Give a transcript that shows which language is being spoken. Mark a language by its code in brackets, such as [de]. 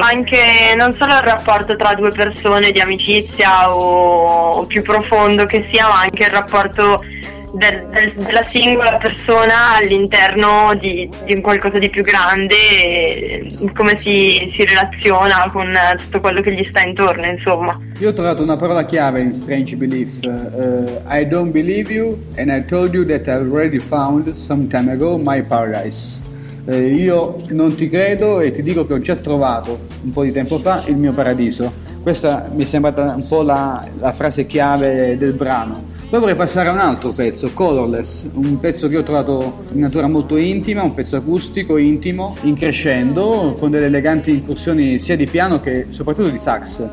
[it] Anche non solo il rapporto tra due persone di amicizia o più profondo che sia, ma anche il rapporto della singola persona all'interno di qualcosa di più grande, come si relaziona con tutto quello che gli sta intorno, insomma. Io ho trovato una parola chiave in [en] Strange Belief, I don't believe you and I told you that I already found some time ago my paradise. [it] Io non ti credo e ti dico che ho già trovato un po' di tempo fa il mio paradiso. Questa mi è sembrata un po' la frase chiave del brano. Poi vorrei passare a un altro pezzo, Colorless, un pezzo che ho trovato in natura molto intima, un pezzo acustico, intimo, in crescendo, con delle eleganti incursioni sia di piano che soprattutto di sax.